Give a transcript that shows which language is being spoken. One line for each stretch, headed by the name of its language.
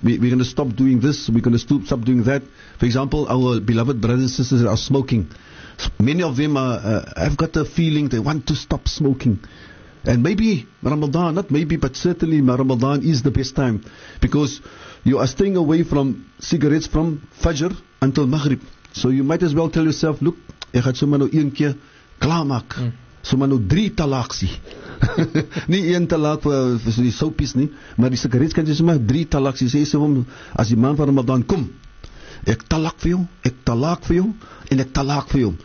English: We're going to stop doing this, we're going to stop doing that. For example, our beloved brothers and sisters are smoking. Many of them have got a feeling they want to stop smoking. And maybe Ramadan, not maybe, but certainly Ramadan is the best time, because you are staying away from cigarettes from Fajr until Maghrib. So you might as well tell yourself, look,
Afrikaans: ek gaan sommer nou een keer klaar maak. Sommer nou 3 talaks. Nie een talak vir die soapies nie, maar die sigarette kan jy sommer 3 talaks. Jy sê sommer as die maand van Ramadan kom, ek talak vir jou, ek talak vir jou, en ek talak vir jou.